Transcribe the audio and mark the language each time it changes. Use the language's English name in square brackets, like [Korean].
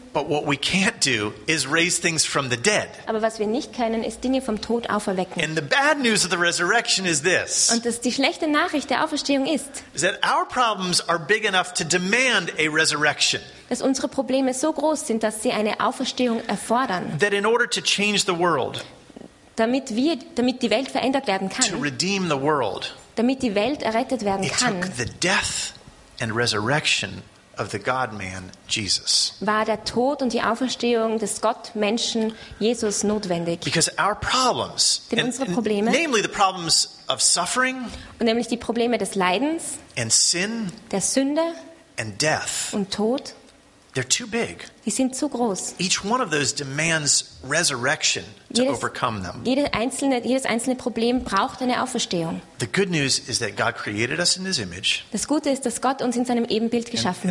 [English] But what we can't do is raise things from the dead. [German] Aber was wir nicht können, ist Dinge vom Tod auferwecken. [English] And the bad news of the resurrection is this. [German] Und das die schlechte Nachricht der Auferstehung ist. [English] Is that our problems are big enough to demand a resurrection. [German] Dass unsere Probleme so groß sind, dass sie eine Auferstehung erfordern. [English] That in order to change the world. [German] Damit wir, damit die Welt verändert werden kann. [English] To redeem the world. [German] Damit die Welt errettet werden kann. [English] It took the death and resurrection of the God-Man Jesus. [German] War der Tod und die Auferstehung des Gottmenschen Jesus notwendig? [English] Because our problems, [German] denn unsere Probleme, [English] namely the problems of suffering, [German] und nämlich die Probleme des Leidens, [English] and sin, [German] der Sünde, [English] and death, [German] und Tod, [English] they're too big. [German] Die sind zu groß. [English] Each one of those demands resurrection to jedes, overcome them. [German] Jedes einzelne Problem braucht eine Auferstehung. [English] The good news is that God created us in His image. [German] Das Gute ist, dass Gott uns in seinem Ebenbild geschaffen